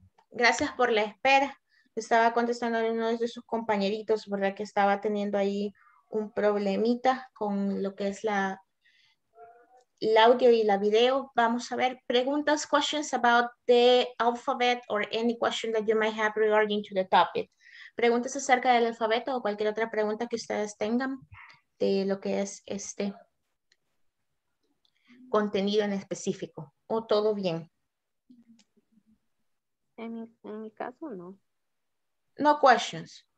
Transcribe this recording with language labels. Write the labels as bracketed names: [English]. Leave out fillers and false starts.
[Spanish] Gracias por la espera. Estaba contestando a uno de sus compañeritos, ¿verdad? Que estaba teniendo ahí un problemita con lo que es el audio y la video. Vamos a ver preguntas, [English] questions about the alphabet or any question that you might have regarding to the topic. [Spanish] Preguntas acerca del alfabeto o cualquier otra pregunta que ustedes tengan de lo que es este contenido en específico. ¿O todo bien? En mi caso, no. [English] No questions.